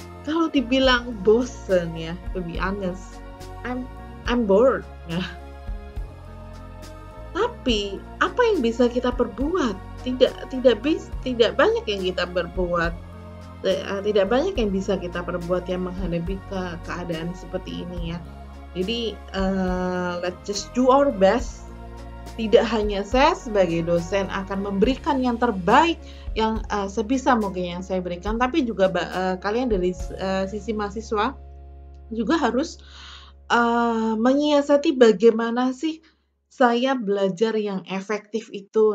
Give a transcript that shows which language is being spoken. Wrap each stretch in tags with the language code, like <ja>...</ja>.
<id>Kalau dibilang bosen ya,</id> <en>to be honest, I'm bored</en> <id>ya. Tapi apa yang bisa kita perbuat? Tidak banyak yang kita perbuat. Tidak banyak yang bisa kita perbuat yang menghadapi keadaan seperti ini ya.</id> <en>Jadi let's just do our best.</en> <id>Tidak hanya saya sebagai dosen akan memberikan yang terbaik yang sebisa mungkin yang saya berikan, tapi juga kalian dari sisi mahasiswa juga harus menyiasati bagaimana sih saya belajar yang efektif itu.</id>